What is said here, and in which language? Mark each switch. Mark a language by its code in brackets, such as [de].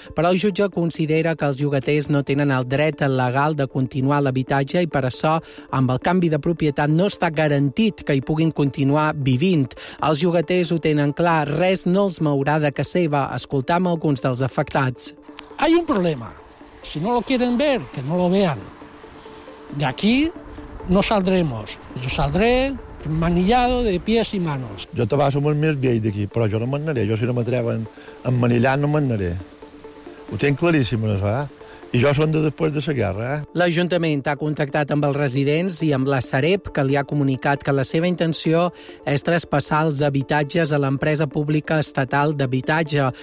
[ca] Però el jutge considera que els llogaters no tenen el dret legal de continuar l'habitatge i per això, amb el canvi de propietat, no està garantit que hi puguin continuar vivint. Els llogaters ho tenen clar, res no els mourà de casa seva. Escoltam alguns dels afectats. [es] Hay un problema. Si no lo quieren ver, que no lo vean. De aquí no saldremos. Yo saldré, manillado de pies y manos. [ca] Jo te vas amb el més vell d'aquí, però jo no me'n aniré. Jo, si no m'atreven a manillar, no me'n aniré. Ho tinc claríssim, no es va. I jo són de després de la guerra. L'Ajuntament ha contactat amb els residents i amb la Sareb, que li ha comunicat que la seva intenció és traspassar els habitatges a l'empresa pública estatal d'habitatge.